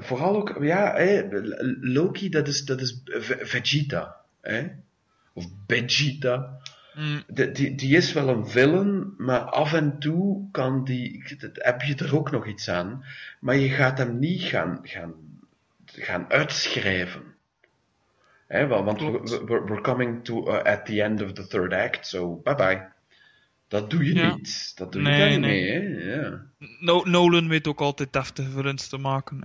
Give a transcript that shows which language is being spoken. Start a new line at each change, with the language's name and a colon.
Dutch: Vooral ook, ja, hey, Loki, dat is Vegeta. Hey? Of Vegeta. Die is wel een villain, maar af en toe kan die, heb je er ook nog iets aan, maar je gaat hem niet gaan uitschrijven. Hè, want
English: we're coming to at the end of the third act, so bye-bye.
Dutch: Dat doe je niet. Dat doe je niet mee. Ja. Nolan weet ook altijd deftige villains te maken.